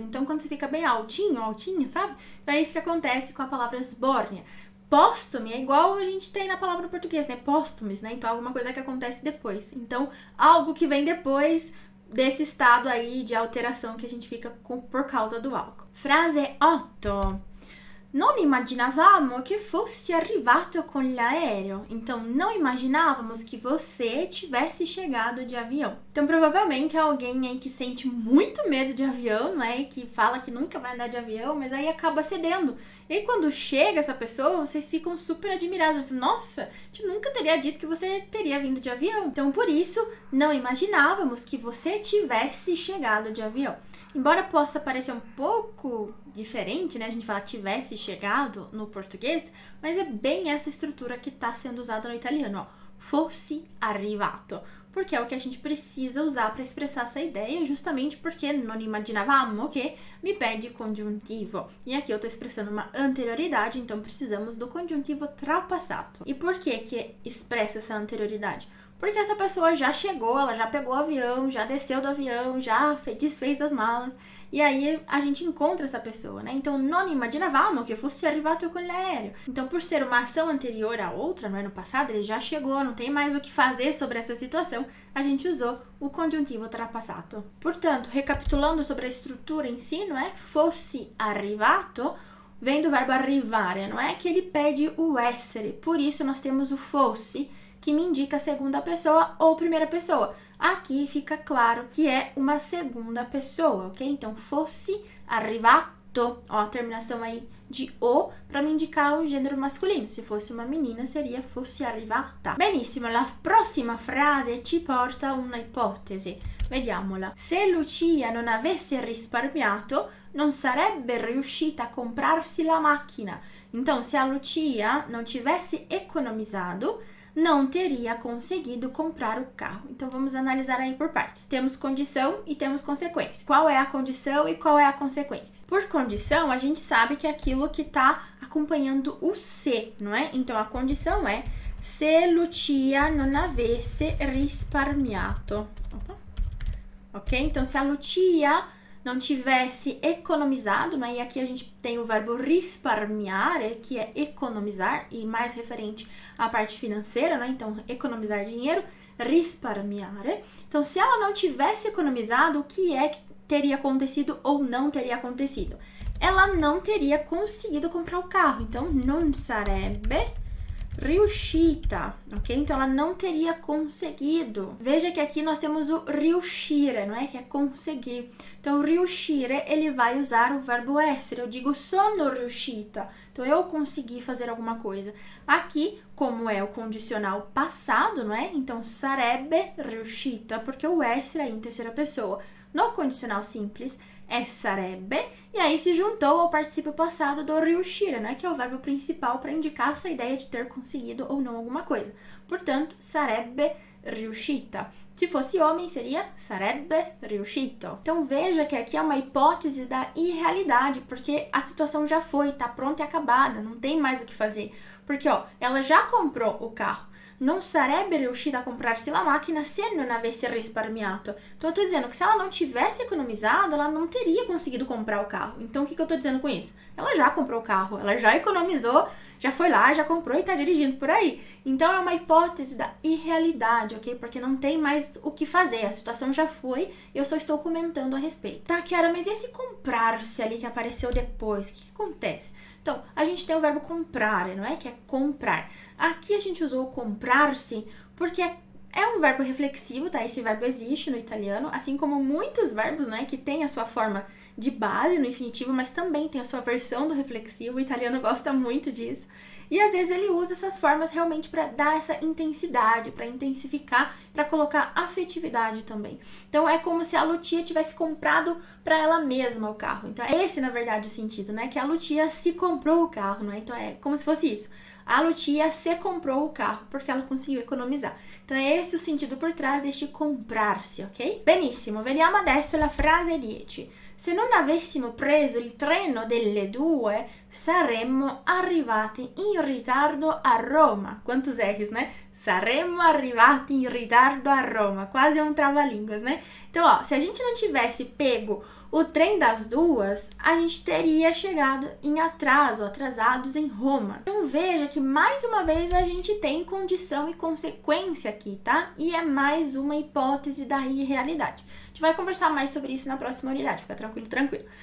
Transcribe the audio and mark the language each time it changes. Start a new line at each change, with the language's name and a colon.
Portuguese: Então, quando você fica bem altinho, altinha, sabe? Então, é isso que acontece com a palavra sbornia. Póstume é igual a gente tem na palavra portuguesa, né? Póstumes, né? Então, alguma coisa que acontece depois. Então, algo que vem depois desse estado aí de alteração que a gente fica com, por causa do álcool. Frase 8.
Italian: Non immaginavamo che fossi arrivato con l'aereo.
Portuguese: Então, não imaginávamos que você tivesse chegado de avião. Então, provavelmente é alguém aí que sente muito medo de avião, né? Que fala que nunca vai andar de avião, mas aí acaba cedendo. E quando chega essa pessoa, vocês ficam super admirados. Nossa, a gente nunca teria dito que você teria vindo de avião. Então, por isso, não imaginávamos que você tivesse chegado de avião. Embora possa parecer um pouco diferente, né? A gente fala tivesse chegado no português, mas é bem essa estrutura que está sendo usada no italiano, ó.
Italian: Fosse arrivato.
Portuguese: Porque é o que a gente precisa usar para expressar essa ideia, justamente porque
Italian: non immaginavamo che
Portuguese: mi pede congiuntivo. E aqui eu estou expressando uma anterioridade, então precisamos do congiuntivo trapassato. E por que que expressa essa anterioridade? Porque essa pessoa já chegou, ela já pegou o avião, já desceu do avião, já desfez as malas. E aí a gente encontra essa pessoa, né? Então,
Italian: non immaginavamo che fosse arrivato con l'aereo.
Portuguese: Então, por ser uma ação anterior à outra, não é? No passado, ele já chegou, não tem mais o que fazer sobre essa situação. A gente usou o congiuntivo trapassato. Portanto, recapitulando sobre a estrutura em si, não é? Fosse arrivato vem do verbo arrivare, não é? Que ele pede o essere. Por isso, nós temos o fosse, que me indica a segunda pessoa ou primeira pessoa. Aqui fica claro que é uma segunda pessoa, ok? Então,
Italian: fosse arrivato
Portuguese: Ó, a terminação aí de o para me indicar o gênero masculino. Se fosse uma menina, seria
Italian: fosse arrivata. Benissimo, la prossima frase ci porta una ipotesi. Vediamola. Se Lucia non avesse risparmiato, non sarebbe riuscita a comprarsi la macchina.
Portuguese: Então, se a Lucia non tivesse economizado, não teria conseguido comprar o carro. Então vamos analisar aí por partes. Temos condição e temos consequência. Qual é a condição e qual é a consequência? Por condição, a gente sabe que é aquilo que está acompanhando o se, não é? Então a condição é se Lucia
Italian: non avesse risparmiato.
Portuguese: Opa. Ok? Então se a Lucia não tivesse economizado, né? E aqui a gente tem o verbo risparmiare, que é economizar, e mais referente à parte financeira, né? Então, economizar dinheiro, risparmiare. Então, se ela não tivesse economizado, o que é que teria acontecido ou não teria acontecido? Ela não teria conseguido comprar o carro. Então,
Italian: non sarebbe riuscita,
Portuguese: ok? Então ela não teria conseguido. Veja que aqui nós temos o riuscire, não é? Que é conseguir. Então, riuscire, ele vai usar o verbo essere. Eu digo
Italian: sono riuscita.
Portuguese: Então, eu consegui fazer alguma coisa. Aqui, como é o condicional passado, não é? Então,
Italian: sarebbe riuscita,
Portuguese: porque o essere é em terceira pessoa. No condicional simples, é sarebbe, e aí se juntou ao participio passado do riuscire, né? Que é o verbo principal para indicar essa ideia de ter conseguido ou não alguma coisa. Portanto,
Italian: sarebbe riuscita.
Portuguese: Se fosse homem, seria
Italian: sarebbe riuscito.
Portuguese: Então veja que aqui é uma hipótese da irrealidade, porque a situação já foi, tá pronta e acabada, não tem mais o que fazer. Porque, ó, ela já comprou o carro.
Italian: Non sarebbe riuscita a comprarsi la macchina se non avesse risparmiato.
Portuguese: Então, eu tô dizendo que se ela não tivesse economizado, ela não teria conseguido comprar o carro. Então, o que que eu tô dizendo com isso? Ela já comprou o carro, ela já economizou, já foi lá, já comprou e tá dirigindo por aí. Então, é uma hipótese da irrealidade, ok? Porque não tem mais o que fazer, a situação já foi, eu só estou comentando a respeito. Tá, Kiara, mas e esse comprar-se ali que apareceu depois? O que que acontece? Então, a gente tem o verbo comprare, não é? Que é comprar. Aqui a gente usou comprar-se porque é um verbo reflexivo, tá? Esse verbo existe no italiano, assim como muitos verbos, não é? Que tem a sua forma de base no infinitivo, mas também tem a sua versão do reflexivo. O italiano gosta muito disso. E às vezes ele usa essas formas realmente para dar essa intensidade, para intensificar, para colocar afetividade também. Então é como se a Lucia tivesse comprado para ela mesma o carro. Então é esse, na verdade, o sentido, né? Que a Lucia se comprou o carro, né? Então é como se fosse isso. A Lucia se comprou o carro porque ela conseguiu economizar. Então é esse o sentido por trás deste comprar-se, ok?
Italian: Benissimo, vediamo adesso la frase 10. Se non avessimo preso il treno delle due, saremmo arrivati in ritardo a Roma.
Portuguese: Quantos R's, né?
Italian: Saremmo arrivati in ritardo a Roma. Quasi un
Portuguese: trava-línguas, né? Então, ó, se a gente não tivesse pego o trem das duas, a gente teria chegado em atraso, atrasados em Roma. Então veja que mais uma vez a gente tem condição e consequência aqui, tá? E é mais uma hipótese da irrealidade. A gente vai conversar mais sobre isso na próxima unidade, fica tranquilo, tranquilo.